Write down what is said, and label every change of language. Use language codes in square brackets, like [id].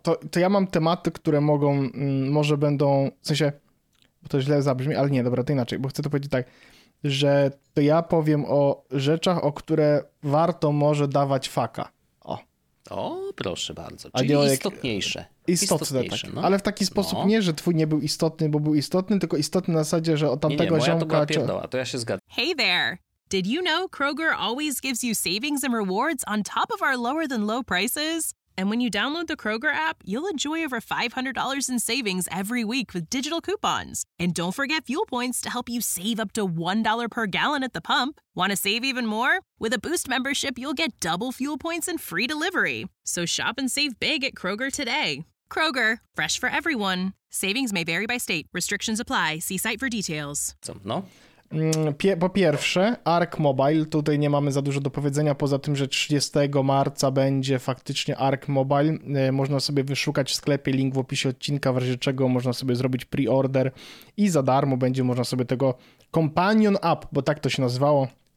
[pl] To ja mam tematy, które mogą, może będą, w sensie, bo to źle zabrzmi, ale nie, dobra, to inaczej, bo chcę to powiedzieć tak, że to ja powiem o rzeczach, o które warto może dawać faka. O. O, proszę bardzo. Czyli anioły istotniejsze. Istotniejsze, tak. No. Ale w taki sposób nie, że twój nie był istotny, bo był istotny, tylko istotny na zasadzie, że od tamtego ziomka... Nie, moja to była pierdoła, to ja się zgadzam. [en] Hey there! Did you know Kroger always gives you savings and rewards on top of our lower than low prices? And when you download the Kroger app, you'll enjoy over $500 in savings every week with digital coupons. And don't forget fuel points to help you save up to $1 per gallon at the pump. Want to save even more? With a Boost membership, you'll get double fuel points and free delivery. So shop and save big at Kroger today. Kroger, fresh for everyone. Savings may vary by state. Restrictions apply. See site for details. [pl] No. Po pierwsze, Ark Mobile, tutaj nie mamy za dużo do powiedzenia, poza tym, że 30 marca będzie faktycznie Ark Mobile, można sobie wyszukać w sklepie, link w opisie odcinka, w razie czego można sobie zrobić pre-order i za darmo będzie można sobie tego Companion App, bo tak to się nazywało,